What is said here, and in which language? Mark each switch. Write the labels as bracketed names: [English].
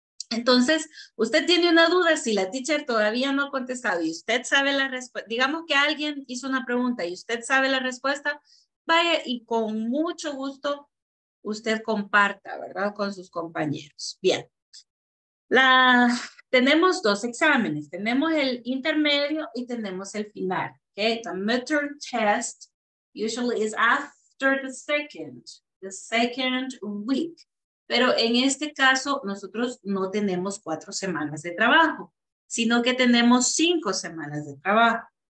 [Spanish] Entonces, usted tiene una duda, si la teacher todavía no ha contestado y usted sabe la respuesta, digamos que alguien hizo una pregunta y usted sabe la respuesta, vaya y con mucho gusto usted comparta, ¿verdad? Con sus compañeros. Bien, tenemos dos exámenes, tenemos el intermedio y tenemos el final, ¿ok? [English] The midterm test usually is after the second week. [Spanish] Pero en este caso, nosotros no tenemos 4 semanas de trabajo, sino que tenemos 5 semanas de trabajo.